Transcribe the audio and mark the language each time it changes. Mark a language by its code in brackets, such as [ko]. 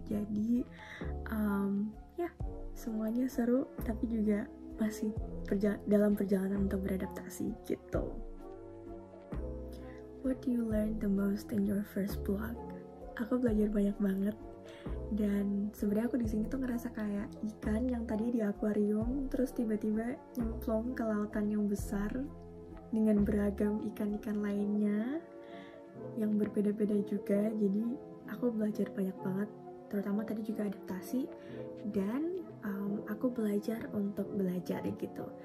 [id] Jadi, semuanya seru, tapi juga masih dalam perjalanan untuk beradaptasi gitu. [en] What do you learn the most in your first block? [id] Aku belajar banyak banget, dan sebenarnya aku di sini tuh ngerasa kayak ikan yang tadi di akuarium terus tiba-tiba nyemplung ke lautan yang besar dengan beragam ikan-ikan lainnya yang berbeda-beda juga. Jadi aku belajar banyak banget, terutama tadi juga adaptasi, dan aku belajar untuk belajar gitu.